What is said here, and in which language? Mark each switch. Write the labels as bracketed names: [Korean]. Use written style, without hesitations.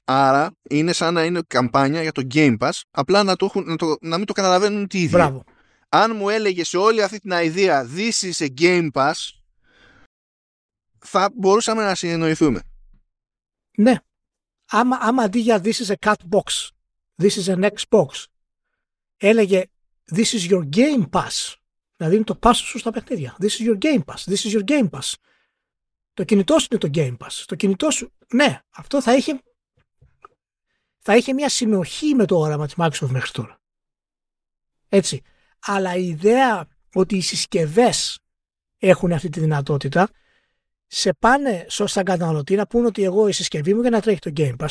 [Greek] Άρα είναι σαν να είναι καμπάνια για το Game Pass, απλά να μην το καταλαβαίνουν τι ίδιοι. Μπράβο. Αν μου έλεγε σε όλη αυτή την idea [English] this is a Game Pass, [Greek] θα μπορούσαμε να συνεννοηθούμε. Ναι. Άμα αντί για [English] this is a cat box, this is an Xbox, [Greek] έλεγε [English] this is your Game Pass. [Greek] Δηλαδή είναι το pass σου στα παιχνίδια. [English] This is your Game Pass. [Greek] This is your Game Pass. Το κινητό σου είναι το Game Pass. Το κινητό σου, ναι, αυτό θα είχε μια συνοχή με το όραμα της Microsoft μέχρι τώρα. Έτσι. Αλλά η ιδέα ότι οι συσκευές έχουν αυτή τη δυνατότητα σε πάνε σαν καταναλωτή να πούνε ότι εγώ η συσκευή μου για να τρέχει το Game Pass.